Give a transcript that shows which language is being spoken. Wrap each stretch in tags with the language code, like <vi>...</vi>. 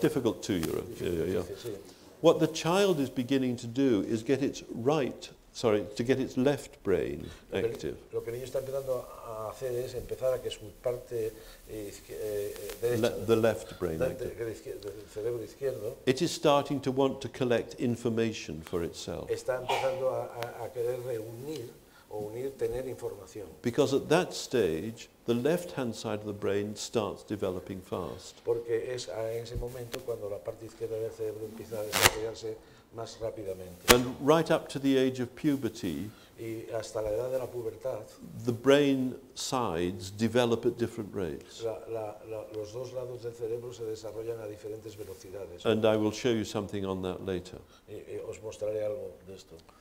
<en>difficult two-year-old. Yeah. What the child is beginning to do is get its right sorry, to get its left brain active.</en> <es>Lo que el niño está empezando a hacer es empezar a que su parte derecha,</es> <en>the left brain</en> <es>del cerebro izquierdo,</es> <en>it is starting to want to collect information for itself.</en> <es>Está empezando a querer reunir o unir, tener información.</es> <en>Because at that stage, the left-hand side of the brain starts developing fast.</en> <es>Porque es en ese momento cuando la parte izquierda del cerebro empieza a desarrollarse más rápidamente.</es> <en>And right up to the age of puberty,</en> <es>y hasta la edad de la pubertad,</es> <en>the brain sides develop at different rates.</en> <es>Los dos lados del cerebro se desarrollan a diferentes velocidades.</es> <en>And I will show you something on that later.</en> <es>Y os mostraré algo de esto.</es>